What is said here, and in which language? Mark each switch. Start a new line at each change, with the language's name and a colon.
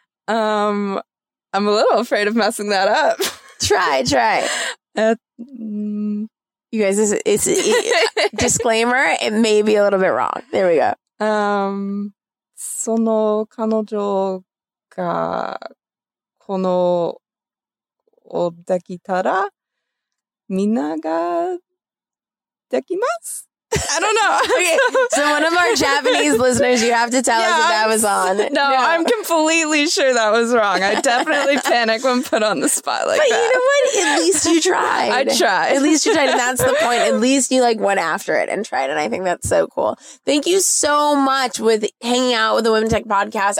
English: I'm a little afraid of messing that up. try. You guys, disclaimer, it may be a little bit wrong. There we go.
Japanese: その彼女がこのを抱きたらみんなが抱きます。
English: I don't know. Okay, so one of our Japanese listeners, you have to tell us if that was on. No, I'm completely sure that was wrong. I definitely panic when put on the spot like that. But you know what? At least you tried. I tried. At least you tried. And that's the point. At least you like went after it and tried. And I think that's so cool. Thank you so much with hanging out with the Women Tech Podcast.